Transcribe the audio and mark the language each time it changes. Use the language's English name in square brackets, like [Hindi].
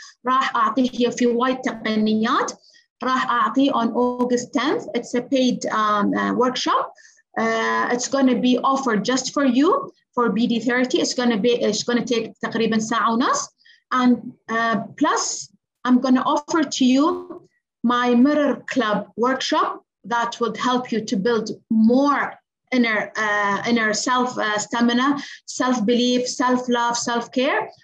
[Arabic] راح أعطي هي في وايد تقنيات راح أعطي [English] on August 10th. It's a paid workshop. It's going to be offered just for you for BD30. It's going to take [Arabic] تقريباً ساعة ونص. [English] And plus, I'm going to offer to you my Mirror Club workshop that would help you to build more inner self stamina, self belief, self love, self care.